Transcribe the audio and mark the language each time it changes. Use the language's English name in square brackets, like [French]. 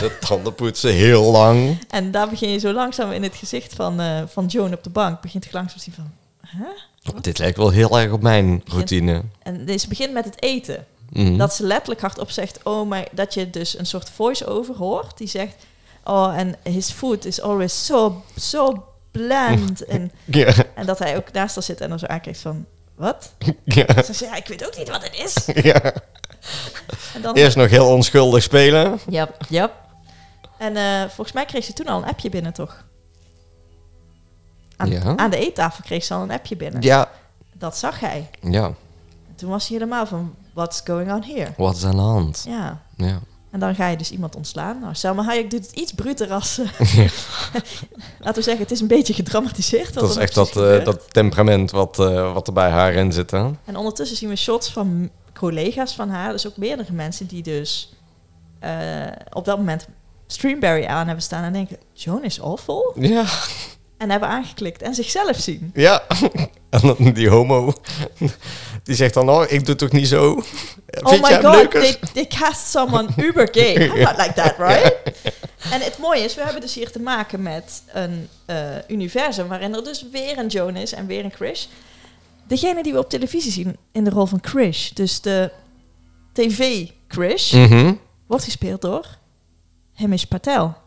[Dutch] De tanden poetsen, heel lang. En daar begin je zo langzaam in het gezicht van Joan op de bank. Begint je langzaam te zien van, hè? Dit lijkt wel heel erg op mijn routine. En ze begint met het eten. Mm-hmm. Dat ze letterlijk hardop zegt, oh, maar dat je dus een soort voice-over hoort. Die zegt, [English] oh, and his food is always so bland. [Dutch] En, [English] yeah, [Dutch] en dat hij ook naast haar zit en dan zo aankijkt van, wat? [English] Yeah. [Dutch] Ze zegt, ja, ik weet ook niet wat het is. [English] Yeah. [Dutch] En dan eerst nog heel onschuldig spelen. Ja, ja. En volgens mij kreeg ze toen al een appje binnen, toch? Aan de eettafel kreeg ze al een appje binnen. Ja. Dat zag hij. Ja. En toen was hij helemaal van, [English] what's going on here? What's [Dutch] aan de hand? Ja. Ja. En dan ga je dus iemand ontslaan. Nou, Selma Hayek doet het iets bruter als ze. Ja. Laten we zeggen, het is een beetje gedramatiseerd. Dat is echt dat temperament wat er bij haar in zit. Hè? En ondertussen zien we shots van collega's van haar. Dus ook meerdere mensen die dus op dat moment Streamberry aan hebben staan. En denken, Joan is awful. Ja. En hebben aangeklikt en zichzelf zien. Ja, en dan die homo, die zegt dan, oh, ik doe het toch niet zo. [English] Vind oh my god, they cast someone uber gay. I'm not like that, right? [Dutch] Ja. En het mooie is, we hebben dus hier te maken met een universum waarin er dus weer een Joan is en weer een Krish. Degene die we op televisie zien in de rol van Krish, dus de tv-Krish, wordt gespeeld door Himesh Patel.